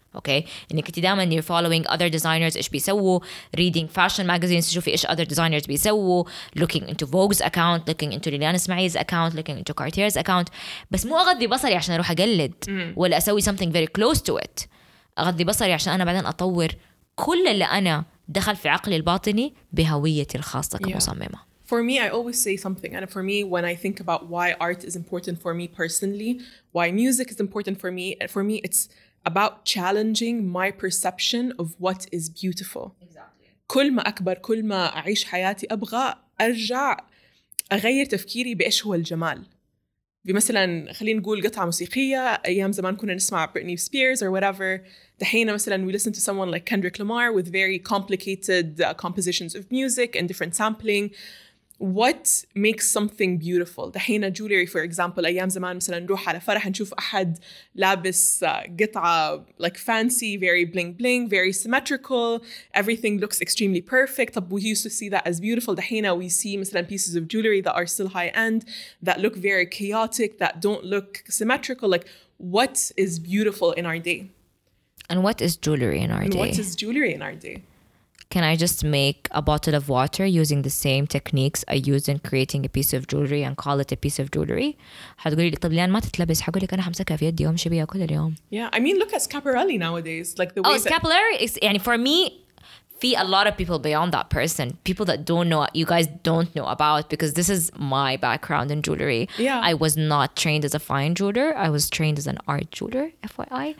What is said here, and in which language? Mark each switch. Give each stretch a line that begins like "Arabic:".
Arabic: أوكي, إنك أنت دائما
English: you're following other designers
Arabic: إيش بيسووا,
English: reading fashion magazines
Arabic: تشوفي إيش
English: other designers
Arabic: بيسووا,
English: looking into Vogue's account, looking into Lillian Ismail's account, looking into Cartier's account,
Arabic: بس مو أغذي بصري عشان أروح أقلد ولا أسوي
English: something very close to it.
Arabic: أغذي بصري عشان أنا بعدين أطور كل اللي أنا دخل في عقلي الباطني بهويتي الخاصة كمصممة.
English: Yeah. For me, I always say something. And for me, when I think about why art is important for me personally, why music is important for me it's about challenging my perception of what is beautiful. Exactly.
Arabic: كل ما أكبر, كل ما أعيش حياتي, أبغى أرجع أغير تفكيري بإيش هو الجمال. بمثلا خلينا نقول قطعة موسيقية, أيام زمان كنا نسمع
English: Britney Spears or whatever,
Arabic: دحين مثلا
English: we listen to someone like Kendrick Lamar with very complicated compositions of music and different sampling. What makes something beautiful?
Arabic: دحين
English: jewelry for example,
Arabic: أيام زمان مثلا نروح على فرح نشوف أحد لابس قطعة
English: like fancy, very bling bling, very symmetrical, everything looks extremely perfect.
Arabic: طب
English: we used to see that as beautiful.
Arabic: دحين
English: we see مثلا pieces of jewelry that are still high end, that look very chaotic, that don't look symmetrical. Like what is beautiful in our day? And what is jewelry in our and day? What is jewelry in our day? Can I just make a bottle of water using the same techniques I used in creating a piece of jewelry and call it a piece of jewelry?
Arabic: هتقولي لي طب ليان ما تتلبس, هقول لك انا همسكها في يدي وامشي بيها كل اليوم.
English: Yeah, I mean look at Scaparelli nowadays, like the way. Oh, Scaparelli is
Arabic: يعني
English: for me see a lot of people beyond that person, people that don't know, you guys don't know about, because this is my background in jewelry. Yeah. I was not trained as a fine jeweler, I was trained as an art jeweler, FYI.